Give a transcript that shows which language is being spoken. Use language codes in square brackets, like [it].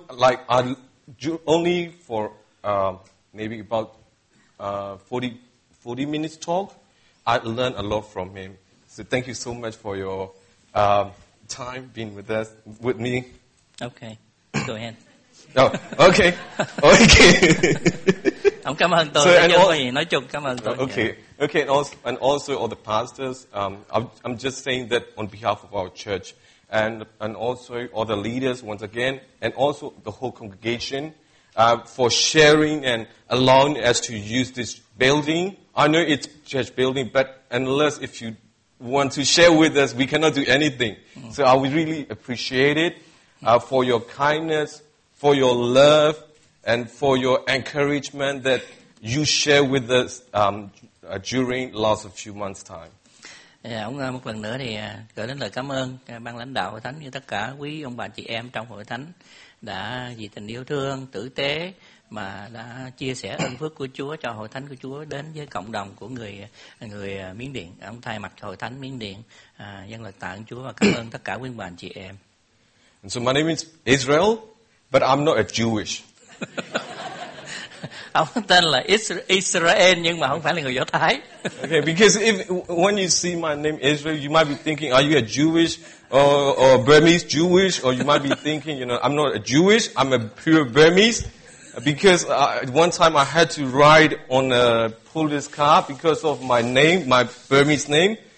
[en] Like only for maybe about 40 minutes talk, I learned a lot from him. So thank you so much for your time being with us, with me. Okay, go ahead. Oh, okay, okay. [vi] Ông cảm ơn tôi, nói chung cảm ơn tôi. [en] Okay, yeah. Okay, and also all the pastors, I'm just saying that on behalf of our church, and also all the leaders once again, and also the whole congregation, for sharing and allowing us to use this building. I know it's church building, but unless if you want to share with us, we cannot do anything. So I would really appreciate it for your kindness, for your love, and for your encouragement that you share with us during last few months' time. [vi] Yeah, ông một lần nữa thì gửi đến lời cảm ơn ban lãnh đạo Hội Thánh như tất cả quý ông bà chị em trong Hội Thánh đã vì tình yêu thương tử tế mà đã chia sẻ ân phước của Chúa cho Hội Thánh của Chúa đến với cộng đồng của người Miến Điện. Ông thay mặt Hội Thánh Miến Điện dâng lời tạ ơn Chúa và cảm ơn tất cả quý ông bà chị em. [en] And so my name is Israel, but I'm not a Jewish. [vi] Ông tên là Israel nhưng mà không phải là người Do Thái. [en] Okay, because if when you see my name Israel, you might be thinking, are you a Jewish or Burmese Jewish? Or you might be thinking, you know, I'm not a Jewish, I'm a pure Burmese. Because one time I had to ride on a police car because of my name, my Burmese name.